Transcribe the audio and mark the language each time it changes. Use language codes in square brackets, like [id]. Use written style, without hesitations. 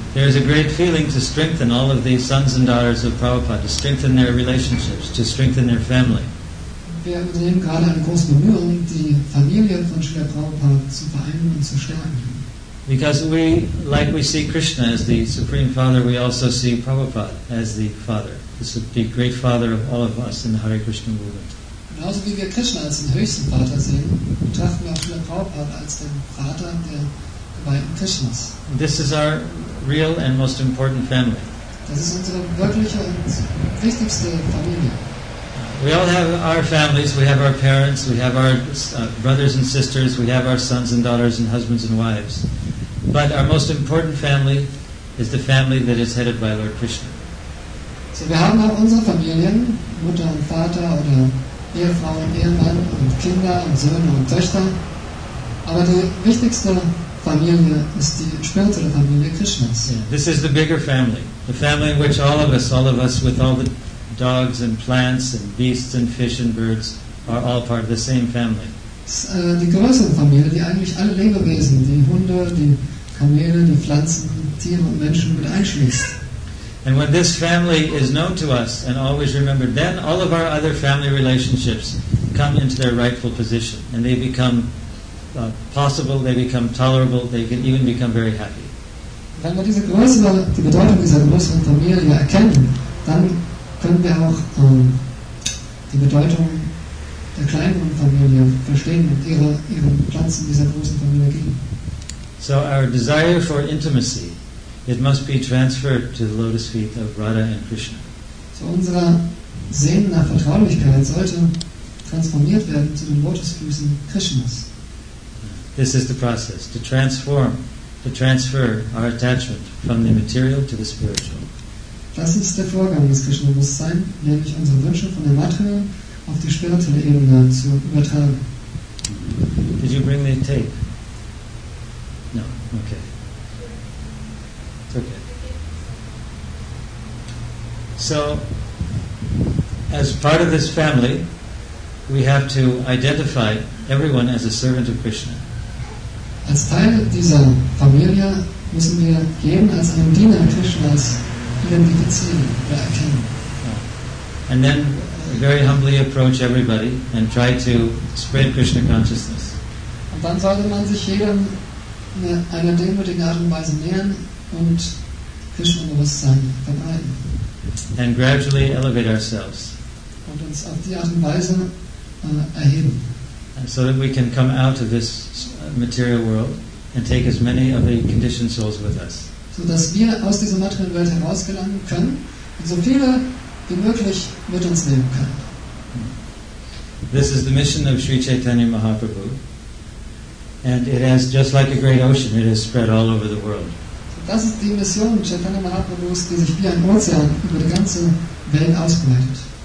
[en] There is a great feeling to strengthen all of the sons and daughters of Prabhupada, to strengthen their relationships, to strengthen their family. [de] Wir unternehmen gerade eine große Bemühung, die Familie von Shrila Prabhupada zu vereinen und zu stärken. [en] Because we, like we see Krishna as the Supreme Father, we also see Prabhupada as the Father, the great Father of all of us in the Hare Krishna movement. [de] Genauso wie wir Krishna als den höchsten Vater sehen, betrachten wir auch Shrila Prabhupada als den Vater der geweihten Krishnas. [en] This is our real and most important family. [de] Das ist unsere wirkliche und wichtigste Familie. [en] We all have our families, we have our parents, we have our brothers and sisters, we have our sons and daughters and husbands and wives. But our most important family is the family that is headed by Lord Krishna. [de] So wir haben auch unsere Familien, Mutter und Vater oder Ehefrau und Ehemann und Kinder und Söhne und Töchter. Aber die wichtigste Familie ist die spirituelle Familie Krishnas. Yeah. [en] This is the bigger family, the family in which all of us with all the dogs and plants and beasts and fish and birds are all part of the same family. [de] Die größere Familie, die eigentlich alle Lebewesen, die Hunde, die Kamele, die Pflanzen, Tiere und Menschen mit einschließt. [en] And when this family is known to us and always remembered, then all of our other family relationships come into their rightful position and they become possible, they become tolerable, they can even become very happy. [de] Wenn wir die Bedeutung dieser größeren Familie erkennen, dann können wir auch die Bedeutung der kleinen Familie verstehen und ihren Platz in dieser großen Familie geben. [en] So our desire for intimacy, it must be transferred to the lotus feet of Radha and Krishna. [de] So unsere Sehnen nach Vertraulichkeit sollte transformiert werden zu den Lotusfüßen Krishnas. [en] This is the process, to transfer our attachment from the material to the spiritual. [de] Das ist der Vorgang des Krishna-Bewusstseins, nämlich unsere Wünsche von der Materie auf die spirituelle Ebene zu übertragen. [en] Did you bring the tape? No, okay. took it. So, as part of this family, we have to identify everyone as a servant of Krishna. [de] Als Teil dieser Familie müssen wir jeden als einen Diener Krishnas identifizieren oder erkennen. [en] And then very humbly approach everybody and try to spread Krishna consciousness. [de] Und dann sollte man sich jedem in einer demütigen Art und Weise nähern und Krishna-Bewusstsein verbreiten. [en] And gradually elevate ourselves. [de] Und uns auf die Art und Weise erheben. [en] And so that we can come out of this material world and take as many of the conditioned souls with us. [de] So dass wir aus dieser materiellen Welt herausgelangen können und so viele wie möglich mit uns nehmen können. [en] This is the mission of Sri Chaitanya Mahaprabhu. And it has, just like a great ocean, it has spread all over the world. [de] Das ist die Mission Chaitanya Mahaprabhus, die sich wie ein Ozean über die ganze Welt ausbreitet.